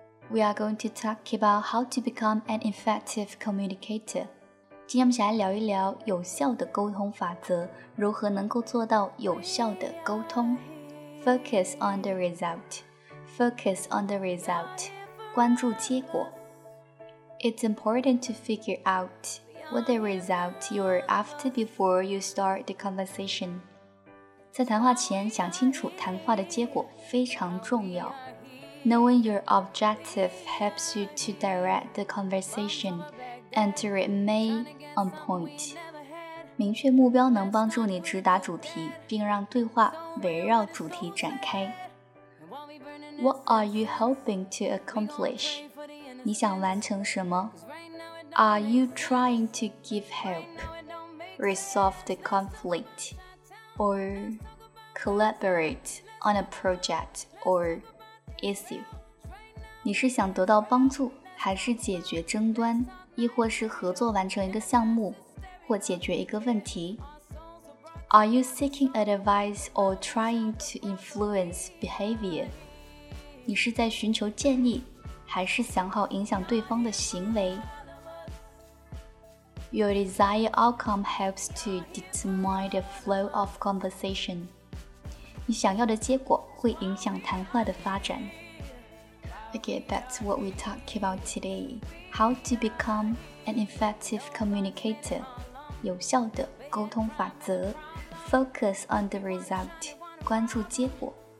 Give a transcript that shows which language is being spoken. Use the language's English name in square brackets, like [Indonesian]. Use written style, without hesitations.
[English] We are going to talk about how to become an effective communicator. [Chinese] 今天我们想来聊一聊有效的沟通法则，如何能够做到有效的沟通。 [English] Focus on the result. Focus on the result. [Chinese] 关注结果。 [English] It's important to figure out what the result you're after before you start the conversation. [Chinese] 在谈话前想清楚谈话的结果非常重要。 [English] Knowing your objective helps you to direct the conversation and to remain on point. [Chinese] 明确目标能帮助你直达主题，并让对话围绕主题展开。 [English] What are you hoping to accomplish? [Chinese] 你想完成什么？ [English] Are you trying to give help? Resolve the conflict? Or collaborate on a project or issue. [Chinese] 你是想得到帮助，还是解决争端，亦或是合作完成一个项目，或解决一个问题？ [English] Are you seeking advice or trying to influence behavior? [Chinese] 你是在寻求建议，还是想好影响对方的行为？ [English] Your desired outcome helps to determine the flow of conversation. [Chinese] 你想要的结果会影响谈话的发展。 [English] Okay, that's what we talk about today. How to become an effective communicator. [Chinese] 有效的沟通法则。 [English] Focus on the result. [Chinese] 关注结果。